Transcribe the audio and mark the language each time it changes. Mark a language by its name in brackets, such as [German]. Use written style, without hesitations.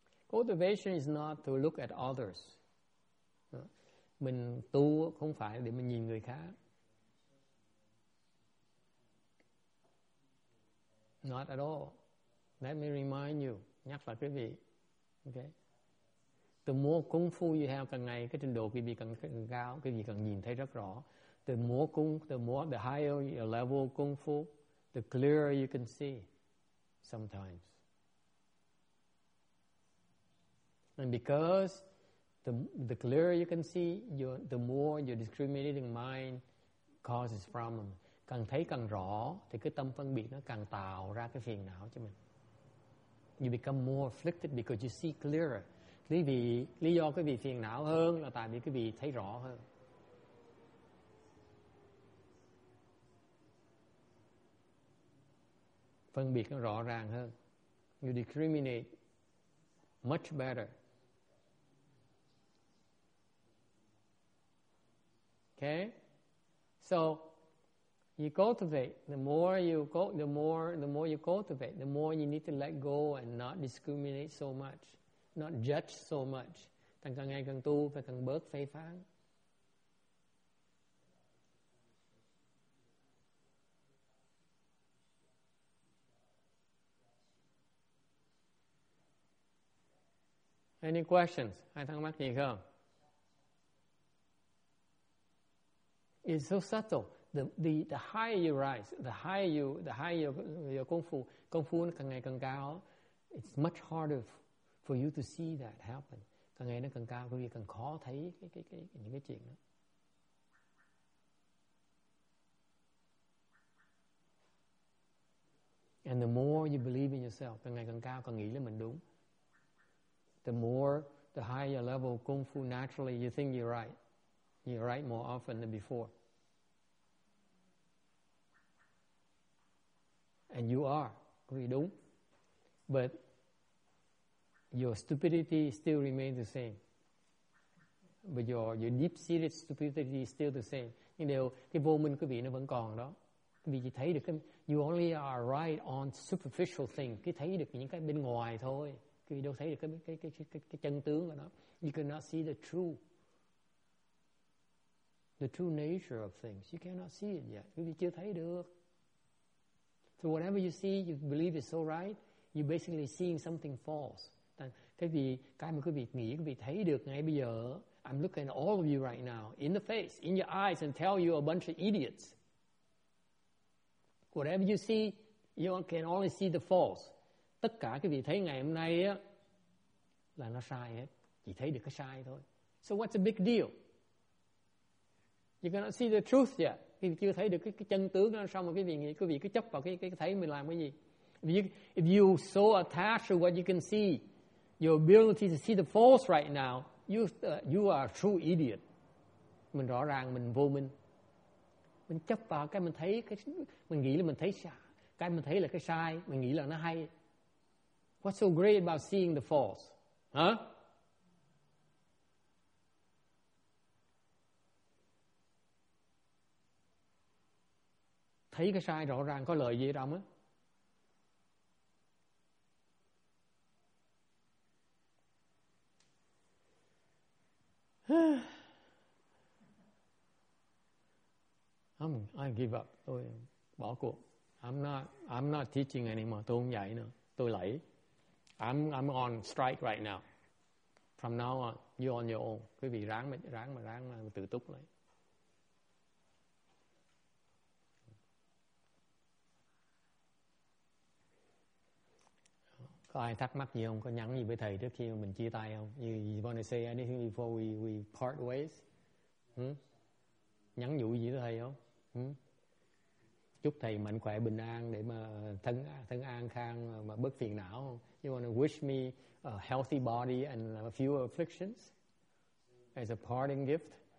[English] Cultivation is not to look at others. [Vietnamese] Mình tu không phải để mình nhìn người khác. [English] Not at all. Let me remind you, [Vietnamese] nhắc lại quý vị. [English] Okay. The more kung fu you have, [Vietnamese] càng ngày cái trình độ quý vị càng cao, quý vị càng nhìn thấy rất rõ. [English] The higher your level kung fu, the clearer you can see sometimes. And because the clearer you can see, the more your discriminating mind causes problems. [Vietnamese] Càng thấy càng rõ, thì cái tâm phân biệt nó càng tạo ra cái phiền não cho mình. [English] You become more afflicted because you see clearer. [Vietnamese] Lý do quý vị phiền não hơn là tại vì quý vị thấy rõ hơn. Phân biệt nó rõ ràng hơn. [English] You discriminate much better. Okay? So, you cultivate. The more you cultivate, the more you need to let go and not discriminate so much. Not judge so much. [Vietnamese] Càng ngày càng tu phải càng bớt phê phán. [English] Any questions? [Vietnamese] Ai thắc mắc gì không? [English] It's so subtle. The higher you rise, the higher your kung fu [Vietnamese] nó càng ngày càng cao. [English] It's much harder for you to see that happen. [Vietnamese] Càng ngày nó càng cao, quý vị càng khó thấy cái những cái chuyện đó. [English] And the more you believe in yourself, [Vietnamese] càng ngày càng cao, càng nghĩ là mình đúng. [English] The more, the higher your level of kung fu, naturally you think you're right. You're right more often than before. And you are, [Vietnamese] quý vị đúng. [English] But your stupidity still remains the same. But your deep-seated stupidity is still the same. [Vietnamese] Nhưng đều, cái vô minh quý vị nó vẫn còn đó. Quý vị chỉ thấy được, [English] you only are right on superficial thing. [Vietnamese] Quý vị thấy được những cái bên ngoài thôi. Quý vị đâu thấy được cái chân tướng của nó. [English] You cannot see the true nature of things. You cannot see it yet. [Vietnamese] Quý vị chưa thấy được. [English] So whatever you see, you believe it's so right, you're basically seeing something false. [Vietnamese] Cái mà quý vị nghĩ, quý vị thấy được ngay bây giờ, [English] I'm looking at all of you right now, in the face, in your eyes, and tell you a bunch of idiots. Whatever you see, you can only see the false. [Vietnamese] Tất cả quý vị thấy ngày hôm nay á, là nó sai hết. Chỉ thấy được cái sai thôi. [English] So what's the big deal? You cannot see the truth yet. [Vietnamese] Quý vị chưa thấy được cái chân tướng nó sao mà quý vị nghĩ, quý vị cứ chấp vào cái thấy mình làm cái gì. [English] If you so attached to what you can see, your ability to see the false right now, you are a true idiot. [Vietnamese] Mình rõ ràng mình vô minh. Mình chấp vào cái mình thấy, cái mình nghĩ là mình thấy sai. Cái mình thấy là cái sai, mình nghĩ là nó hay. [English] What's so great about seeing the false? [Vietnamese] Huh? Thấy cái sai rõ ràng có lợi gì đâu á? [English] I give up. [Vietnamese] Tôi bỏ cuộc. [English] I'm not teaching anymore. [Vietnamese] Tôi không dạy nữa. Tôi lấy. [English] I'm on strike right now. From now on, you're on your own. [Vietnamese] Quý vị ráng mà tự túc lấy. Có ai thắc mắc gì không? Có nhắn gì với thầy trước khi mình chia tay không? [English] You want to say anything before we part ways? [Vietnamese] Nhắn nhủ gì với thầy không? Chúc thầy mạnh khỏe bình an để mà thân an khang mà bớt phiền não. [English] You want to wish me a healthy body and a few afflictions as a parting gift?